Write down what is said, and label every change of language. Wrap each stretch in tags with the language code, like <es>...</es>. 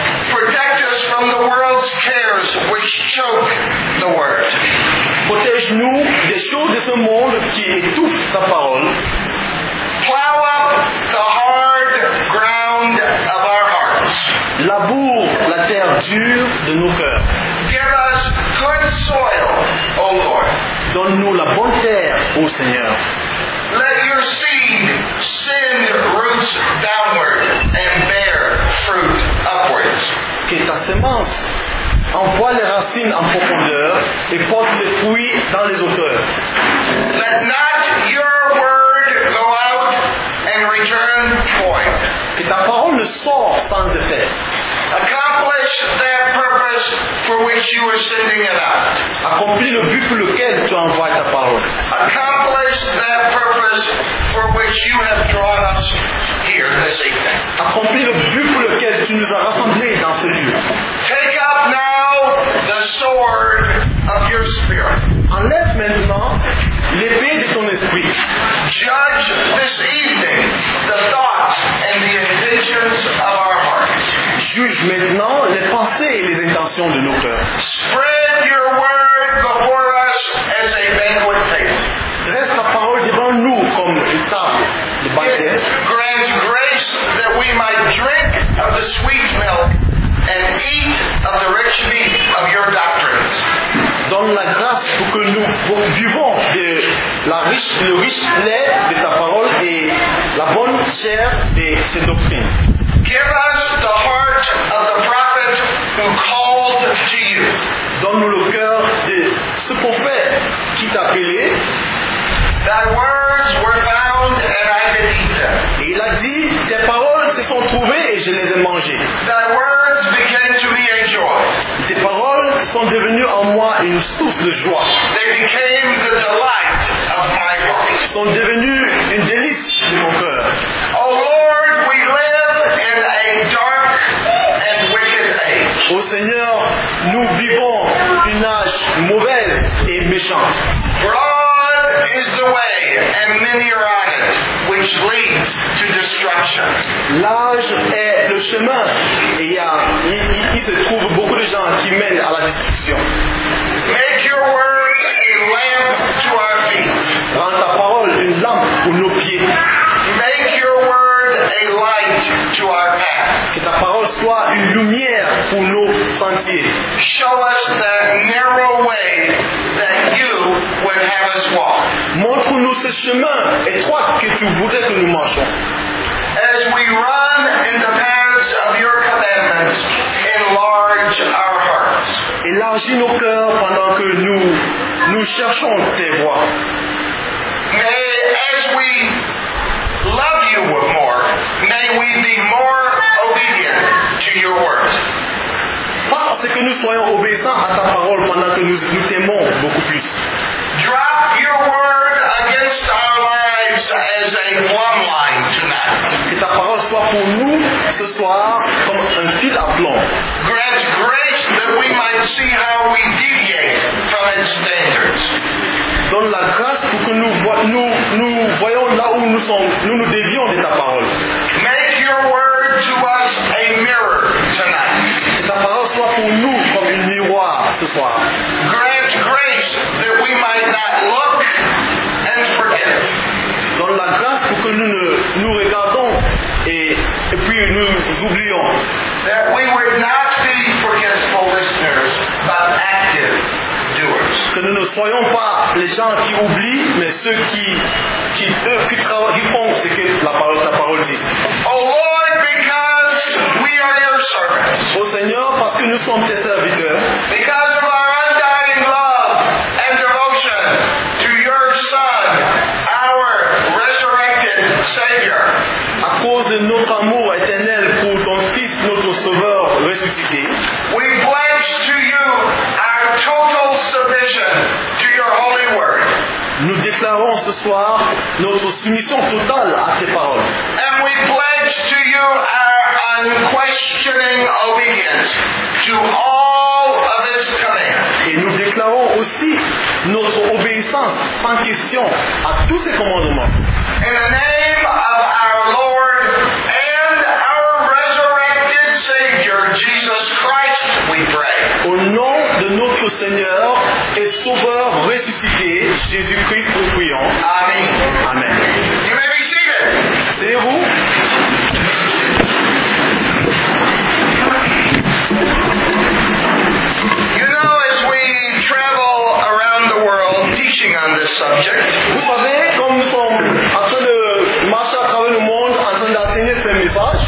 <en>Protect us from the world's cares which choke the word.</en> <fr>Protège-nous des choses de ce monde qui étouffent ta parole.</fr> <en>Plow up the hard ground of our hearts.</en> <fr>Laboure la terre dure de nos cœurs.</fr> <en>Give us good soil, O Lord.</en> <fr>Donne-nous la bonne terre, ô Seigneur.</fr> <en>Let your seed send roots downward and bear fruit upwards.</en> <fr>Que ta semence envoie les racines en profondeur et porte ses fruits dans les hauteurs.</fr> <en>Let not your word go out and return void.</en> <fr>Que ta parole ne sort sans effet.</fr> <en>Accomplish that purpose for which you are sending it out.</en> <fr>Accomplis le but pour lequel tu envoies ta parole.</fr> <en>Accomplish that purpose for which you have drawn us here this evening.</en> <fr>Accomplis le but pour lequel tu nous as rassemblés dans ce lieu.</fr> <en>Take up now the sword of your spirit.</en> <fr>Enlève maintenant l'épée de ton esprit.</fr> <en>Judge this evening the thoughts and the intentions of our hearts.</en> <fr>Juge maintenant les pensées et les intentions de nos cœurs.</fr> <en>Spread your word before us as a banquet table.</en> <fr>Dresse ta parole devant nous comme une table de banquet.</fr> <en>Grant grace that we might drink of the sweet milk and eat of the rich meat of your doctrines.</en> <fr>Donne la grâce pour que nous vivons de la riche, le riche lait de ta parole et la bonne chair de ses doctrines.</fr> <en>Give us the heart of the prophet who called to you.</en> <fr>Donne-nous le cœur de ce prophète qui t'a appelé.</fr> <en>Thy words were found and I did eat them.</en> <fr>Il a dit, tes paroles se sont trouvées et je les ai mangées.</fr> <en>Thy words became to me a joy.</en> <fr>Tes paroles sont devenues en moi une source de joie.</fr> <en>They became the delight of my heart.</en> <fr>Ils sont devenues une délice de mon cœur.</fr> <en>Oh Lord, we live in a dark and wicked age.</en> <fr>Ô Seigneur, nous vivons une âge mauvaise et méchante.</fr> <en>Broad is the way, and many are on it, which leads to destruction.</en> <fr>L'âge est le chemin, et il se trouve beaucoup de gens qui mènent à la destruction.</fr> <en>Make your word a lamp to our feet.</en> <fr>Rends ta parole une lampe pour nos pieds.</fr> <en>Make your word a light to our path.</en> <fr>Que ta parole soit une lumière pour nos sentiers.</fr> <en>Show us the narrow way that you would have us walk.</en> <fr>Montre-nous ce chemin étroit que tu voudrais que nous marchions.</fr> <en>As we run in the paths of your commandments, enlarge our hearts.</en> <fr>Élargis nos cœurs pendant que nous cherchons tes voies.</fr> <en>May as we love you more, may we be more obedient to your word.</en> <fr>Parce que nous soyons obéissants à ta parole pendant que nous t'aimons beaucoup plus.</fr> <en>Drop your word against our lives as a plumb line tonight.</en> <fr>Que ta parole soit pour nous ce soir comme un fil à plomb.</fr> <en>Grant grace that we might see how we deviate from its standards.</en> <fr>Donne la grâce pour que nous voyons là où nous dévions de ta parole.</fr> <en>Make your word to us a mirror tonight.</en> <fr>Que ta parole soit pour nous comme un miroir ce soir.</fr> <en>Grant grace that we might not look and forget.</en> <fr>Donne la grâce pour que nous regardons et puis nous oublions.</fr> <en>That we would not be forgetful listeners, but active</en> <fr>nous ne soyons pas les gens qui oublient, mais ceux qui font ce que ta parole dit.</fr> <en>Oh Lord, because we are your servants.</en> <fr>Oh Seigneur, parce que nous sommes tes serviteurs.</fr> <en>Because of our undying love and devotion to your Son, our resurrected Savior.</en> <fr>À cause de notre amour éternel pour ton Fils, notre Sauveur ressuscité.</fr> <en>We pledge to you our total submission to your holy word.</en> <fr>Nous déclarons ce soir notre soumission totale à tes paroles.</fr> <en>And we pledge to you our unquestioning obedience to all of his commands.</en> <fr>Et nous déclarons aussi notre obéissance sans question à tous ses commandements.</fr> <en>In the name of our Lord and our resurrected Savior, Jesus Christ, we pray.</en> <fr>Au nom de notre Seigneur et Sauveur ressuscité, Jésus-Christ, nous prions.</fr> <en>Amen.</en> <fr>Amen.</fr> <en>You may be seated.</en> <fr>Asseyez-vous.</fr> <en>You know, as we travel around the world teaching on this subject,</en> <fr>vous savez, comme nous sommes en train de marcher à travers le monde en train d'enseigner ce message,</fr>